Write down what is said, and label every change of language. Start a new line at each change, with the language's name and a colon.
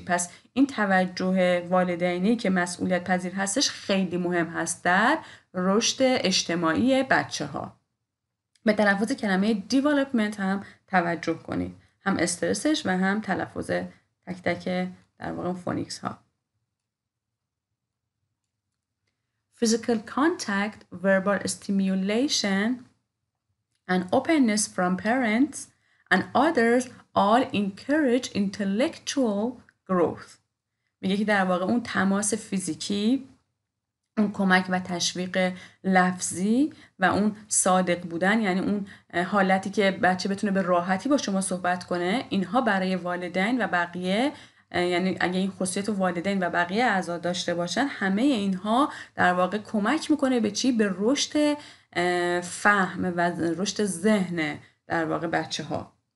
Persian: پس این توجه والدینی که مسئولیت پذیر هستش خیلی مهم هست در رشد اجتماعی بچه ها. به تلفظ کلمه development هم توجه کنید، هم استرسش و هم تلفظ تک تک در واقع فونیکس ها.
English: Physical contact, verbal stimulation and openness from parents and others all encourage intellectual growth.
Persian: میگه که در واقع اون تماس فیزیکی، اون کمک و تشویق لفظی و اون صادق بودن، یعنی اون حالتی که بچه بتونه به راحتی با شما صحبت کنه، اینها برای والدین و بقیه، یعنی اگه این خصوصیت رو والدین و بقیه اعضا داشته باشن، همه اینها در واقع کمک میکنه به چی؟ به رشد فهم و رشد ذهن در واقع بچه ها.